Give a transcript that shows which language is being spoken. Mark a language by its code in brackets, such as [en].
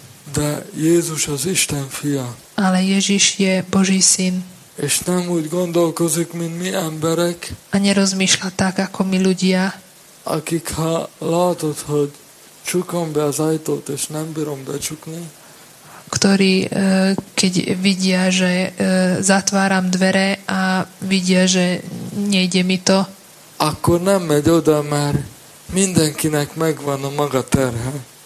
[hu] De Jézus az Isten fia. [sk] Ale Ježiš je Boží syn. [hu] És nem úgy gondolkozik, mint mi emberek. [sk] A nerozmýšľa tak, ako my ľudia. [hu] Akik ha látod, hogy csukom be az ajtót, és nem bírom becsukni. [sk] Ktorí, keď vidia, že zatváram dvere a vidia, že nejde mi to. [hu] Akkor nem megy oda, mert mindenkinek megvan a maga terhe.